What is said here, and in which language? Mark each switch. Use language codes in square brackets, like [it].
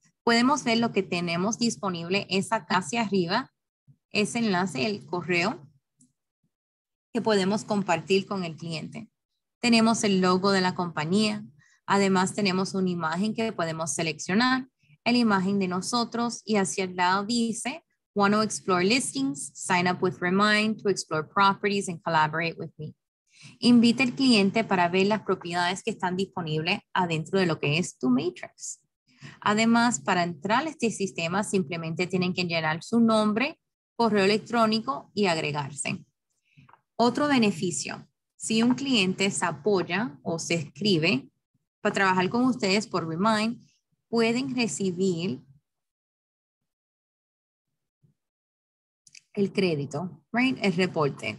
[es] Podemos ver lo que tenemos disponible es acá hacia arriba, ese enlace, el correo que podemos compartir con el cliente. Tenemos el logo de la compañía. Además, tenemos una imagen que podemos seleccionar, la imagen de nosotros, y hacia el lado dice, [en] "Want to explore listings? Sign up with Remind to explore properties and collaborate with me." [es] Invita al cliente para ver las propiedades que están disponibles adentro de lo que es tu matrix. Además, para entrar a este sistema, simplemente tienen que llenar su nombre, correo electrónico y agregarse. Otro beneficio, si un cliente se apoya o se escribe, para trabajar con ustedes por Remind, pueden recibir el crédito, right? El reporte.